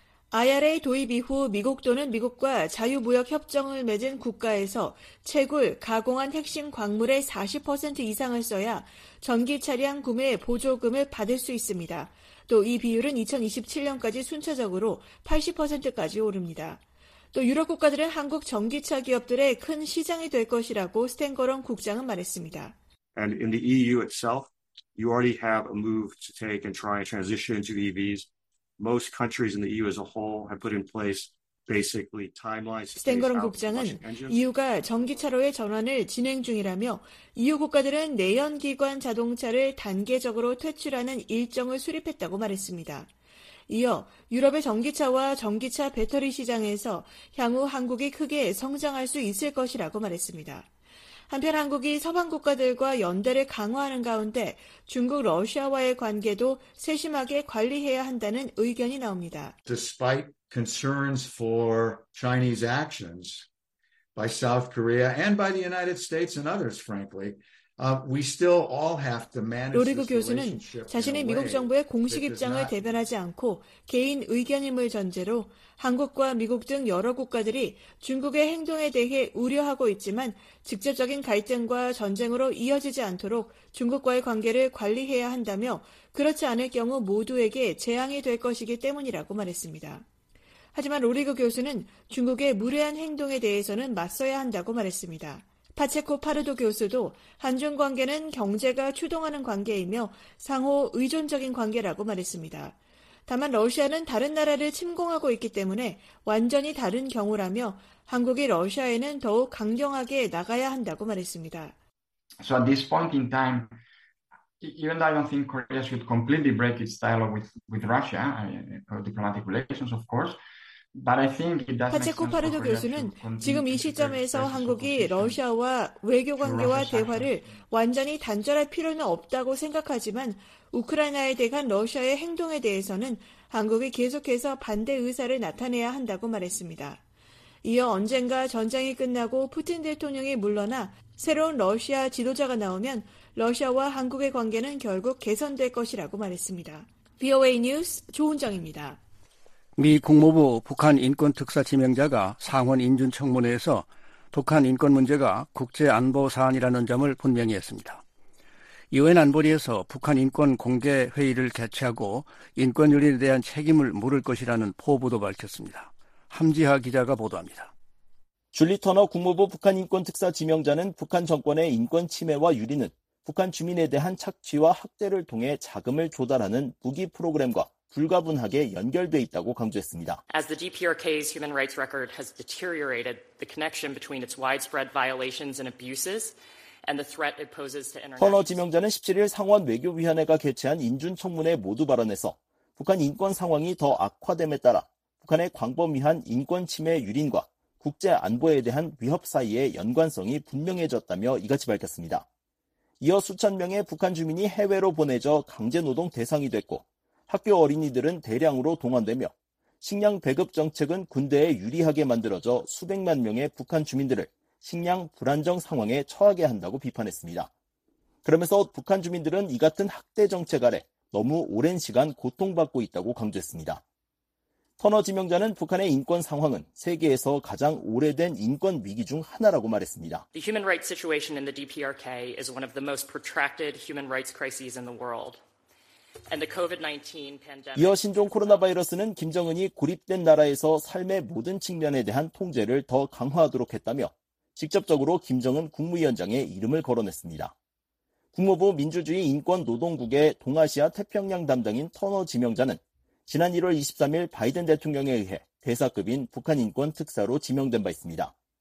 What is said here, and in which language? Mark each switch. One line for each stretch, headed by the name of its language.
Korean: IRA 도입 이후 미국 또는 미국과 자유무역협정을 맺은 국가에서 채굴, 가공한 핵심 광물의 40% 이상을 써야 전기차량 구매 보조금을 받을 수 있습니다. 또 이 비율은 2027년까지 순차적으로 80%까지 오릅니다. 또 유럽 국가들은 한국 전기차 기업들의 큰 시장이 될 것이라고 스텐거런 국장은 말했습니다.
English: And in the EU itself, you already have a move to take and try and transition to EVs. Most countries in the EU as a whole have put in place basically timelines.
Korean: 스텐거런 국장은 EU가 전기차로의 전환을 진행 중이라며 EU 국가들은 내연기관 자동차를 단계적으로 퇴출하는 일정을 수립했다고 말했습니다. 이어 유럽의 전기차와 전기차 배터리 시장에서 향후 한국이 크게 성장할 수 있을 것이라고 말했습니다. 한편 한국이 서방 국가들과 연대를 강화하는 가운데 중국, 러시아와의 관계도 세심하게 관리해야 한다는 의견이 나옵니다.
English: Despite concerns for Chinese actions by South Korea and by the United States and others, frankly, we still all have to manage this relationship.
Korean: 로리그 교수는 자신이 미국 정부의 공식 입장을 대변하지 않고 개인 의견임을 전제로 한국과 미국 등 여러 국가들이 중국의 행동에 대해 우려하고 있지만 직접적인 갈등과 전쟁으로 이어지지 않도록 중국과의 관계를 관리해야 한다며 그렇지 않을 경우 모두에게 재앙이 될 것이기 때문이라고 말했습니다. 하지만 로리그 교수는 중국의 무례한 행동에 대해서는 맞서야 한다고 말했습니다. 파체코 파르도 교수도 한중 관계는 경제가 추동하는 관계이며 상호 의존적인 관계라고 말했습니다. 다만 러시아는 다른 나라를 침공하고 있기 때문에 완전히 다른 경우라며 한국이 러시아에는 더욱 강경하게 나가야 한다고 말했습니다.
English: So at this point in time, even though I don't think Korea should completely break its dialogue with Russia, diplomatic relations, of course.
Korean: 파체코 파르도 교수는 지금 이 시점에서 한국이 러시아와 외교 관계와 대화를 완전히 단절할 필요는 없다고 생각하지만 우크라이나에 대한 러시아의 행동에 대해서는 한국이 계속해서 반대 의사를 나타내야 한다고 말했습니다. 이어 언젠가 전쟁이 끝나고 푸틴 대통령이 물러나 새로운 러시아 지도자가 나오면 러시아와 한국의 관계는 결국 개선될 것이라고 말했습니다. VOA 뉴스 조은정입니다. 미 국무부 북한인권특사 지명자가 상원인준청문회에서 북한인권 문제가 국제안보사안이라는 점을 분명히 했습니다. 유엔 안보리에서 북한인권공개회의를 개최하고 인권유린에 대한 책임을 물을 것이라는 포부도 밝혔습니다. 함지하 기자가 보도합니다. 줄리 터너 국무부 북한인권특사 지명자는 북한 정권의 인권침해와 유린은 북한 주민에 대한 착취와 학대를 통해 자금을 조달하는 무기 프로그램과 불가분하게 연결돼 있다고 강조했습니다.
English: As the DPRK's human rights record has deteriorated, the connection between its widespread violations and abuses and the threat it poses to international.
Korean: 터너 지명자는 17일 상원 외교위원회가 개최한 인준 청문회 모두 발언에서 북한 인권 상황이 더 악화됨에 따라 북한의 광범위한 인권 침해 유린과 국제 안보에 대한 위협 사이의 연관성이 분명해졌다며 이같이 밝혔습니다. 이어 수천 명의 북한 주민이 해외로 보내져 강제 노동 대상이 됐고 학교 어린이들은 대량으로 동원되며 식량 배급 정책은 군대에 유리하게 만들어져 수백만 명의 북한 주민들을 식량 불안정 상황에 처하게 한다고 비판했습니다. 그러면서 북한 주민들은 이 같은 학대 정책 아래 너무 오랜 시간 고통받고 있다고 강조했습니다. 터너 지명자는 북한의 인권 상황은 세계에서 가장 오래된 인권 위기 중 하나라고 말했습니다.
English: The human rights situation in the DPRK is one of the most protracted human rights crises in the world. And the COVID-19 pandemic.
Korean: 이어 신종 코로나 바이러스는 김정은이 고립된 나라에서 삶의 모든 측면에 대한 통제를 더 강화하도록 했다며 직접적으로 김정은 국무위원장의 이름을 거론했습니다. 국무부 민주주의 인권노동국의 동아시아 태평양 담당인 터너 지명자는 지난 1월 23일 바이든 대통령에 의해 대사급인 북한인권특사로 지명된 바 있습니다.